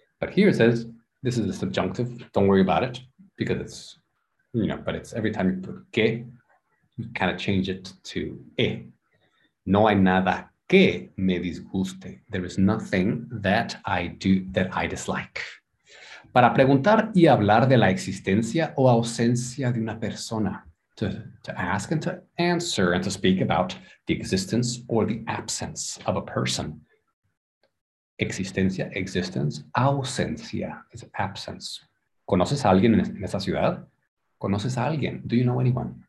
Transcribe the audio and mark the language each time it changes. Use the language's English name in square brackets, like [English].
[English] But here it says, this is a subjunctive. Don't worry about it because it's, you know, but it's every time you put que, you kind of change it to e. [Spanish] No hay nada que me disguste. [English] There is nothing that I do that I dislike. [Spanish] Para preguntar y hablar de la existencia o ausencia de una persona. [English] To ask and to answer and to speak about the existence or the absence of a person. Existencia, existence, ausencia is absence. [Spanish] ¿Conoces a alguien en esa ciudad? ¿Conoces a alguien? [English] Do you know anyone?